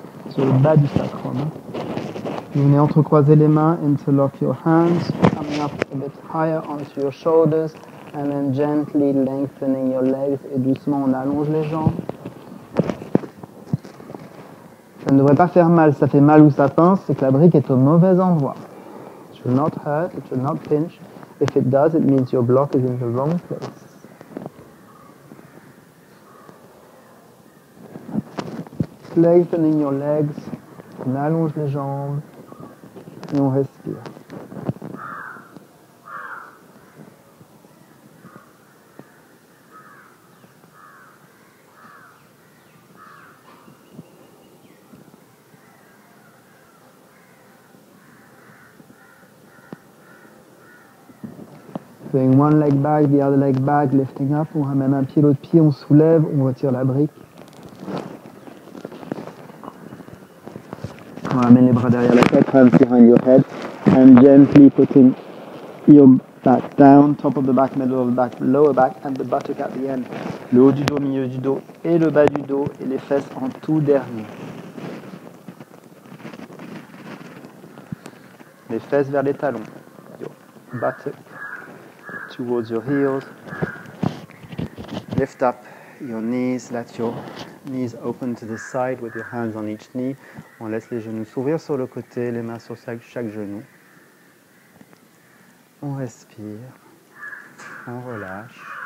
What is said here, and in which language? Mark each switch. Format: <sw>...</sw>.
<fr>Sur le bas du sacrum. Hein. Vous venez entrecroiser les mains,</fr> <en>interlock your hands, coming up a bit higher onto your shoulders, and then gently lengthening your legs,</en> <fr>et doucement on allonge les jambes. Ça ne devrait pas faire mal, ça fait mal ou ça pince, c'est que la brique est au mauvais endroit.</fr> <en>It should not hurt, it should not pinch. If it does, it means your block is in the wrong place. Lengthening your legs,</en> <fr>on allonge les jambes et on respire.</fr> <en>Doing one leg back, the other leg back, lifting up,</en> <fr>on ramène un pied, l'autre pied, on soulève, on retire la brique. On ramène les bras derrière la tête,</fr> <en>hands behind your head, and gently putting your back down, top of the back, middle of the back, lower back, and the buttock at the end.</en> <fr>Le haut du dos, milieu du dos, et le bas du dos, et les fesses en tout dernier. Les fesses vers les talons.</fr> <en>Your buttock. Towards your heels, lift up your knees, let your knees open to the side with your hands on each knee.</en> <fr>On laisse les genoux s'ouvrir sur le côté, les mains sur chaque genou. On respire, on relâche.</fr>